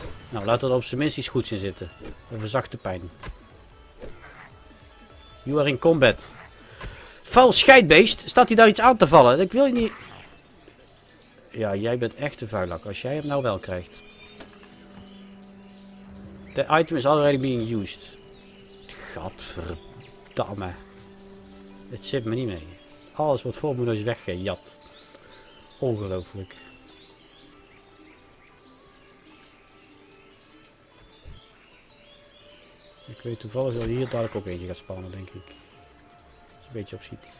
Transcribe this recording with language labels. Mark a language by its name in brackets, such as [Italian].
[Dutch] Nou, laat er op zijn minst iets goeds in zitten. Een verzachte pijn. [English] You are in combat. [Dutch] Vuil scheidbeest. Staat hij daar iets aan te vallen? Ik wil je niet... Ja, jij bent echt een vuilak. Als jij hem nou wel krijgt. [English] The item is already being used. [Dutch] Gadverdamme. Het zit me niet mee. Alles wordt voor me dus weggejat. Ongelooflijk. Ik weet toevallig dat hier dadelijk ook eentje gaat spannen, denk ik. Een beetje op ziek.